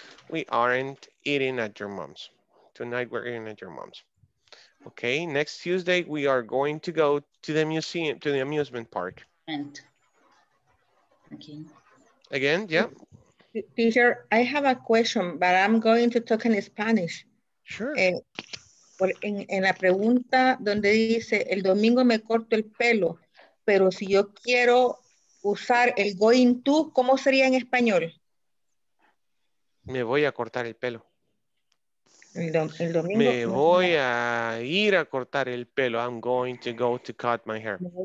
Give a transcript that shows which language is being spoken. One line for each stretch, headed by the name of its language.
English: We aren't eating at your mom's. Tonight we're eating at your mom's. Okay, next Tuesday we are going to go to the museum, to the amusement park. And. Okay. Again, yeah. Teacher, I have a question, but I'm going to talk in Spanish. Sure.
Spanish: En la pregunta donde dice el domingo me corto el pelo, pero si yo quiero usar el going to, ¿cómo sería en español? Me voy a cortar el pelo. El domingo. Me voy a ir a cortar el pelo.
English: I'm going to go to cut my hair.